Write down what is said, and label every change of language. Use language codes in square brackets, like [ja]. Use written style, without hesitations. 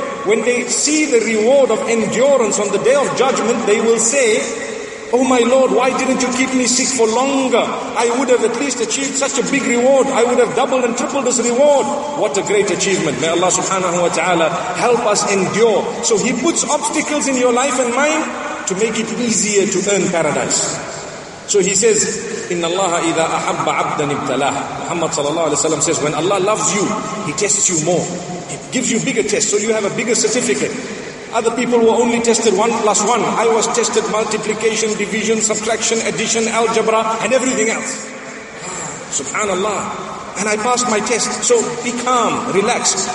[en] When they see the reward of endurance on the day of judgment, they will say, oh my Lord, why didn't you keep me sick for longer? I would have at least achieved such a big reward. I would have doubled and tripled this reward. What a great achievement. May Allah subhanahu wa ta'ala help us endure. So He puts obstacles in your life and mine to make it easier to earn paradise. So He says, [ar] إِنَّ اللَّهَ إِذَا أَحَبَّ عَبْدًا ابْتَلَاهُ. [en] Muhammad sallallahu alayhi wa sallam says, when Allah loves you, He tests you more. He gives you bigger tests so you have a bigger certificate. Other people were only tested 1 plus 1. I was tested multiplication, division, subtraction, addition, algebra, and everything else. Subhanallah. And I passed my test. So be calm, relax.